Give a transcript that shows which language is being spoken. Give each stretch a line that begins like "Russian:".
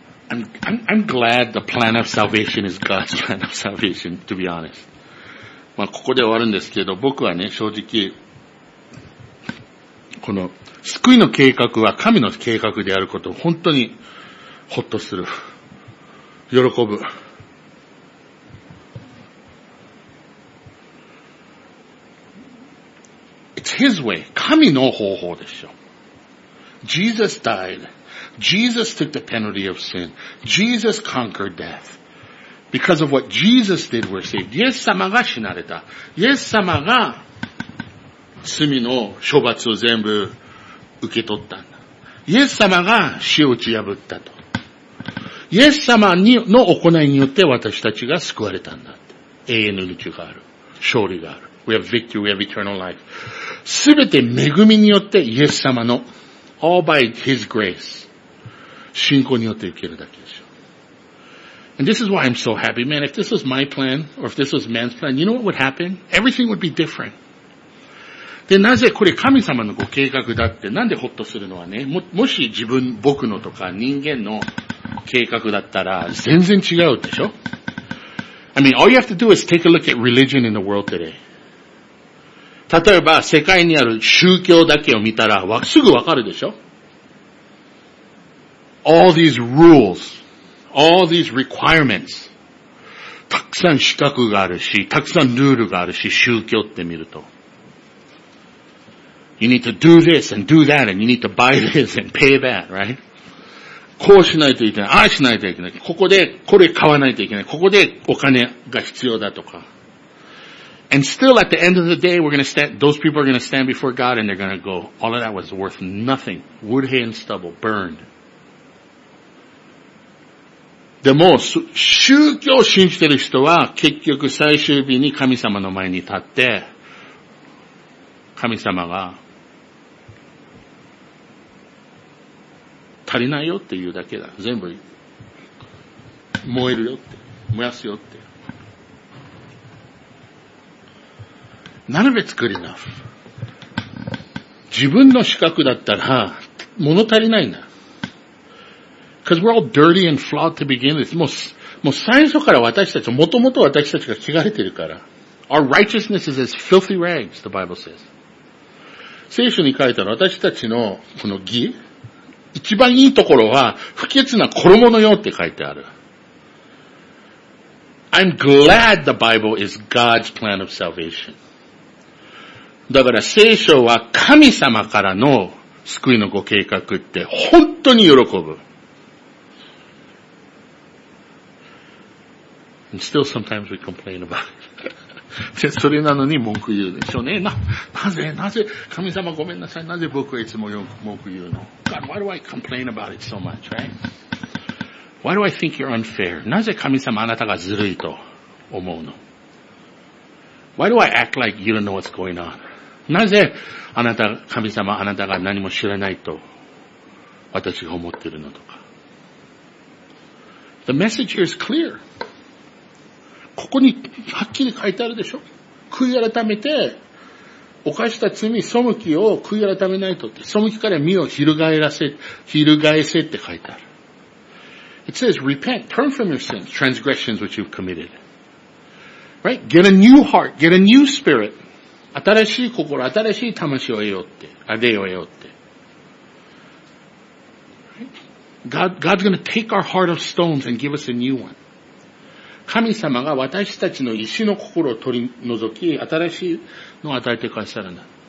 English: I'm glad the plan of salvation is God's plan of salvation, to be honest.
Japanese: まあ、ここで終わるんですけど、僕はね、正直、この救いの計画は神の計画であることを本当にほっとする。喜ぶ。
English: It's His way.
Japanese: 神の方法でしょ。
English: Jesus died. Jesus took the penalty of sin. Jesus conquered death. Because of what Jesus did, we're saved.
Japanese: イエス様が死なれた。イエス様が罪の処罰を全部受け取ったんだ。イエス様が死を打ち破ったと。イエス様の行いによって私たちが救われたんだって。永遠の命がある。勝利がある。
English: We have victory, we have eternal life.
Japanese: すべて恵みによってイエス様の
English: All by His grace.
Japanese: 信仰によって受けるだけでしょ。
English: And this is why I'm so happy. Man, if this was my plan, or if this was man's plan, you know what would happen? Everything would be different.
Japanese: で、なぜこれ神様のご計画だって、なんでほっとするのはね、もし自分、僕のとか人間の計画だったら、全然違うでしょ。
English: I mean, all you have to do is take a look at religion in the world today.
Japanese: 例えば、世界にある宗教だけを見たら、すぐわかるでしょ。
English: All these rules, all these requirements,
Japanese: たくさん資格があるし、たくさんルールがあるし、宗教って見ると。
English: You need to do this and do that and you need to buy this and pay that, right?
Japanese: こうしないといけない。ああしないといけない。ここでこれ買わないといけない。ここでお金が必要だとか。
English: And still at the end of the day, we're gonna stand, those people are gonna stand before God and they're gonna go, all of that was worth nothing. Wood, hay and stubble burned.
Japanese: でも、宗教を信じてる人は結局最終日に神様の前に立って、神様が足りないよって言うだけだ。全部燃えるよって。燃やすよって。
English: None of it's good enough.
Japanese: 自分の資格だったら物足りないんだ。
English: Because we're all dirty and flawed to begin with.
Japanese: もう最初から私たち、もともと私たちが汚れてるから。
English: Our righteousness is as filthy rags, the Bible says.
Japanese: 聖書に書いたの私たちのこの義一番いいところは、不潔な衣のようって書いてある。
English: I'm glad the Bible is God's plan of salvation.
Japanese: だから聖書は神様からの救いのご計画って本当に喜ぶ。
English: And still sometimes we complain about it.
Japanese: それなのに文句言うでしょうね。なぜ、神様ごめんなさい。なぜ僕はいつも文句言うの？
English: God, why do I complain about it so much, right? Why do I think you're unfair?
Japanese: なぜ神様あなたがずるいと思うの?
English: Why do I act like you don't know what's going on?
Japanese: なぜあなた、神様あなたが何も知らないと私が思ってるのとか。
English: The message here is clear.
Japanese: ここにはっきり書いてあるでしょ?悔い改めて犯した罪、背きを悔い改めないとって、背きから身を翻せって書いてある。
English: It says, repent, turn from your sins, transgressions which you've committed. Right? Get a new heart, get a new spirit.
Japanese: 新しい心、新しい魂を得ようって、あれを得ようって。
English: Right? God's gonna take our heart of stones and give us a new one.
Japanese: 神様が私たちの石の心を取り除き、新しいの与えてくださるんだ。